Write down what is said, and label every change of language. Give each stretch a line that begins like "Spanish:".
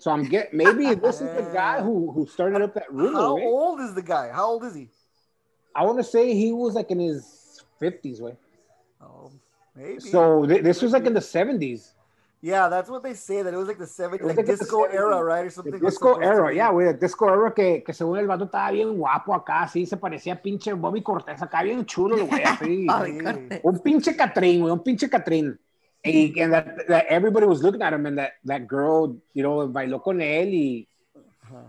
English: So I'm get maybe this is the guy who started up that rumor. How right? old is the guy? How old is he? I want to say he was like in his 50s, way. Right? Oh, maybe. So this was like in the 70s. Yeah, that's what they say, that it was like the 70s, like disco the 70s. Era, right? Or something. The disco era, yeah, güey.
Spanish: Disco era que según el vato estaba bien guapo acá, así se parecía a pinche Bobby Cortés acá, bien chulo, güey, así. Un pinche Catrín, güey, un pinche Catrín.
English: And that everybody was looking at him, and that girl, you know,
Spanish: bailó con él y...